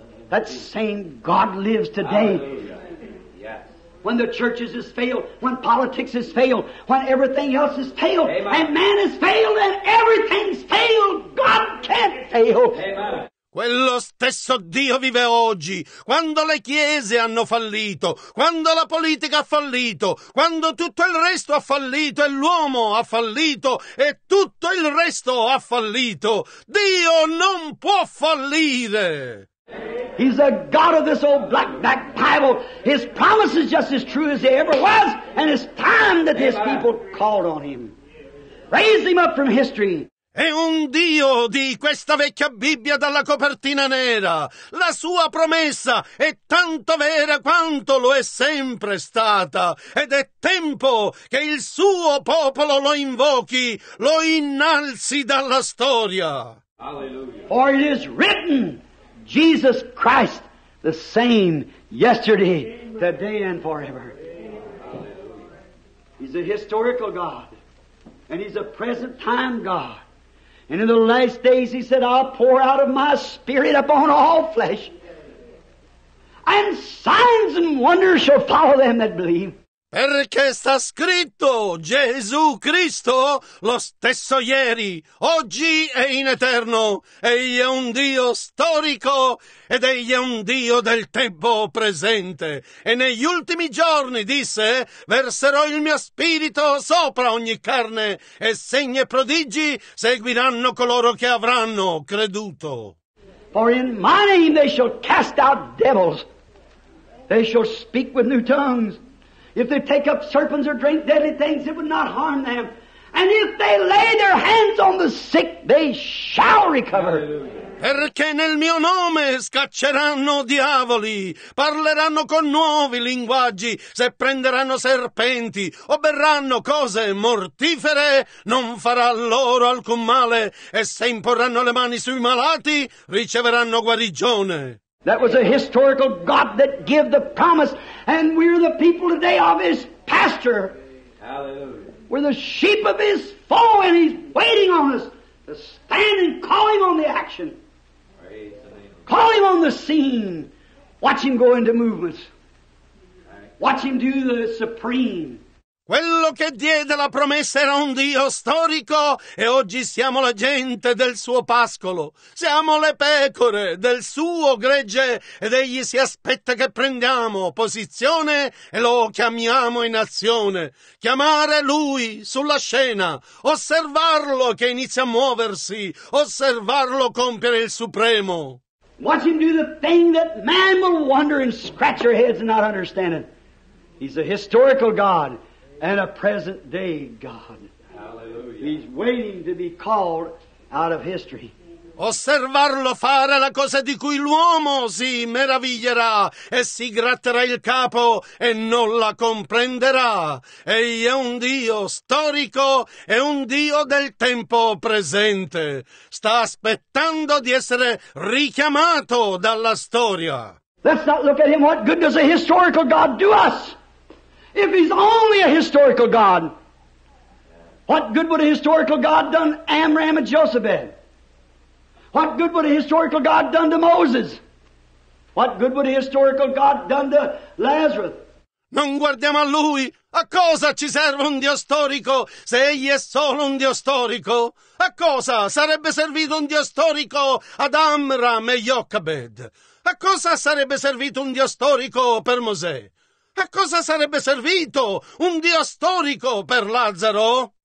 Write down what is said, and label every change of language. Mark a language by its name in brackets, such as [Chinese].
[English] That same God lives today. Hallelujah. When the churches has failed, when politics has failed, when everything else has failed, Amen. And man has failed, and everything's failed, God can't fail. Amen. [Italian] Quello stesso Dio vive oggi, quando le chiese hanno fallito, quando la politica ha fallito, quando tutto il resto ha fallito e l'uomo ha fallito e tutto il resto ha fallito. Dio non può fallire. [English] He's the God of this old black Bible. His promise is just as true as he ever was, and it's time that his people called on him. Raise him up from history. [Italian] È un Dio di questa vecchia Bibbia dalla copertina nera. La sua promessa è tanto vera quanto lo è sempre stata. Ed è tempo che il suo popolo lo invochi, lo innalzi dalla storia. Alleluia. [English] For it is written, Jesus Christ, the same yesterday, today, and forever. He's a historical God, and he's a present time God. And in the last days, he said, I'll pour out of my spirit upon all flesh, and signs and wonders shall follow them that believe. [Italian] Perché sta scritto Gesù Cristo lo stesso ieri, oggi e in eterno. Egli è un Dio storico ed egli è un Dio del tempo presente. E negli ultimi giorni, disse, verserò il mio spirito sopra ogni carne e segni e prodigi seguiranno coloro che avranno creduto. [English] For in my name they shall cast out devils. They shall speak with new tongues. If they take up serpents or drink deadly things, it would not harm them. And if they lay their hands on the sick, they shall recover. [Italian] Perché nel mio nome scacceranno diavoli, parleranno con nuovi linguaggi, se prenderanno serpenti o berranno cose mortifere, non farà loro alcun male, e se imporranno le mani sui malati, riceveranno guarigione. [English] That was a historical God that gave the promise, and we're the people today of his pasture. Hallelujah. We're the sheep of his fold, and he's waiting on us to stand and call him on the action. Praise call him on the scene. Watch him go into movements. Watch him do the supreme. [Italian] Quello che diede la promessa era un Dio storico e oggi siamo la gente del suo pascolo. Siamo le pecore del suo gregge ed egli si aspetta che prendiamo posizione e lo chiamiamo in azione. Chiamare lui sulla scena, osservarlo che inizia a muoversi, osservarlo compiere il supremo. [English] Watch him do the thing that man will wonder and scratch your heads and not understand it. He's a historical God. And a present day God. Hallelujah. He's waiting to be called out of history. [Italian] Osservarlo fare la cosa di cui l'uomo si meraviglierà e si gratterà il capo e non la comprenderà. Egli è un Dio storico e un Dio del tempo presente. Sta aspettando di essere richiamato dalla storia. [English] Let's not look at him. What good does a historical God do us? If he's only a historical God, what good would a historical God done Amram and Jochebed? What good would a historical God done to Moses? What good would a historical God done to Lazarus? [Italian] Non guardiamo a lui. A cosa ci serve un Dio storico se egli è solo un Dio storico? A cosa sarebbe servito un Dio storico ad Amram e Jochebed? A cosa sarebbe servito un Dio storico per Mosè? A cosa sarebbe servito un Dio storico per Lazzaro?